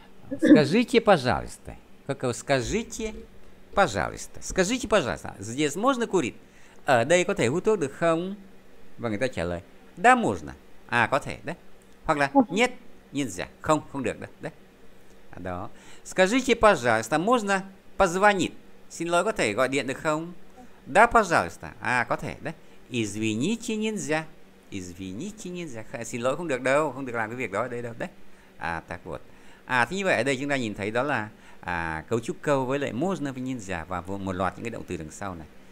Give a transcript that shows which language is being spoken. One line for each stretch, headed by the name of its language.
Russian: Скажите, пожалуйста.
Vietnamese: Có câu
Russian: скажите, пожалуйста. Скажите, пожалуйста. Здесь можно курить?
Vietnamese: Ở đây có thể hút thuốc được không? Và người ta trả lời
Russian: да можно.
Vietnamese: Có thể đấy. Hoặc là
Russian: нет, нельзя.
Vietnamese: Không, không được đâu. Đấy. Đó.
Russian: Скажите, пожалуйста, можно позвонить?
Vietnamese: Xin lỗi, có thể gọi điện được không?
Russian: Да, пожалуйста.
Vietnamese: Có thể đấy.
Russian: Извините, нельзя. Извините, нельзя.
Vietnamese: Xin lỗi, không được đâu. Không được làm cái việc đó ở đây đâu.
Russian: Đấy. Так вот.
Vietnamese: Thế như vậy, ở đây chúng ta nhìn thấy đó là cấu trúc câu với lại можно và нельзя và một loạt những cái động từ đằng sau này.